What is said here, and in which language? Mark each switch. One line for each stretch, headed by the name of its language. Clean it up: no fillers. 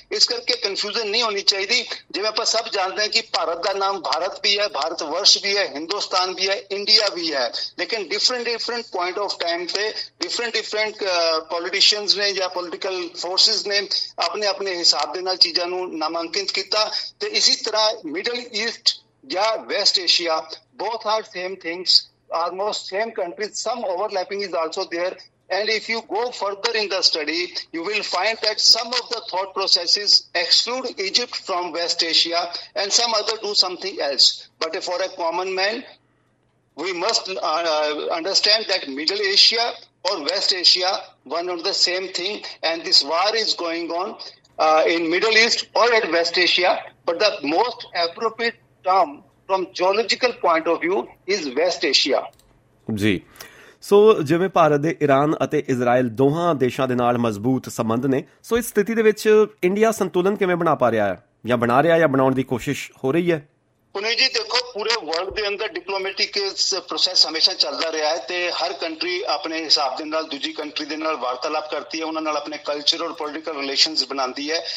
Punjabi: ਇਸ ਕਰਕੇ ਕਨਫਿਊਜ਼ਨ ਨਹੀਂ ਹੋਣੀ ਚਾਹੀਦੀ। ਜਿਵੇਂ ਆਪਾਂ ਸਭ ਜਾਣਦੇ ਹਾਂ ਕਿ ਭਾਰਤ ਦਾ ਨਾਮ ਭਾਰਤ ਵੀ ਹੈ, ਭਾਰਤ ਵਰਸ਼ ਵੀ ਹੈ, ਹਿੰਦੁਸਤਾਨ ਵੀ ਹੈ, ਇੰਡੀਆ ਵੀ ਹੈ, ਲੇਕਿਨ different different point of time ਤੇ ਡਿਫਰੈਂਟ ਡਿਫਰੈਂਟ ਪੋਲੀਟੀਸ਼ੀਅਨਸ ਨੇ ਜਾਂ ਪੋਲੀਟੀਕਲ ਫੋਰਸਿਸ ਨੇ ਆਪਣੇ ਆਪਣੇ ਹਿਸਾਬ ਦੇ ਨਾਲ ਚੀਜ਼ਾਂ ਨੂੰ ਨਾਮਾਂਕਿਤ ਕੀਤਾ। ਤੇ ਇਸੇ ਤਰ੍ਹਾਂ
English: Middle East ਜਾਂ West Asia both are same things, almost same countries, some overlapping is also there. And if you go further in the study, you will find that some of the thought processes exclude Egypt from West Asia and some other do something else. But for a common man, we must understand that Middle Asia or West Asia, one of the same thing, and this war is going on in Middle East or at West Asia. But the most appropriate term from geological point of view is West Asia. Jee.
Punjabi: ਸੋ ਜਿਵੇਂ ਭਾਰਤ ਦੇ Iran ਅਤੇ Israel ਦੋਹਾਂ ਦੇਸ਼ਾਂ ਦੇ ਨਾਲ ਮਜ਼ਬੂਤ ਸੰਬੰਧ ਨੇ, ਸੋ ਇਸ ਸਥਿਤੀ ਦੇ ਵਿੱਚ ਇੰਡੀਆ ਸੰਤੁਲਨ ਕਿਵੇਂ ਬਣਾ ਪਾ ਰਿਹਾ ਹੈ ਜਾਂ ਬਣਾ ਰਿਹਾ ਜਾਂ ਬਣਾਉਣ ਦੀ ਕੋਸ਼ਿਸ਼ ਹੋ ਰਹੀ ਹੈ? ਪੁਨੀਤ ਜੀ, ਦੇਖੋ, ਪੂਰੇ ਵਰਲਡ ਦੇ ਅੰਦਰ ਡਿਪਲੋਮੈਟਿਕ ਪ੍ਰੋਸੈਸ ਹਮੇਸ਼ਾ ਚੱਲਦਾ ਰਿਹਾ ਹੈ ਤੇ ਹਰ ਕੰਟਰੀ ਆਪਣੇ ਹਿਸਾਬ ਦੇ ਨਾਲ ਦੂਜੀ ਕੰਟਰੀ ਦੇ ਨਾਲ ਵਾਰਤਾਲਾਪ ਕਰਦੀ ਹੈ, ਉਹਨਾਂ ਨਾਲ ਆਪਣੇ ਕਲਚਰ ਔਰ ਪੋਲੀਟੀਕਲ ਰਿਲੇਸ਼ਨਸ ਬਣਾਉਂਦੀ ਹੈ।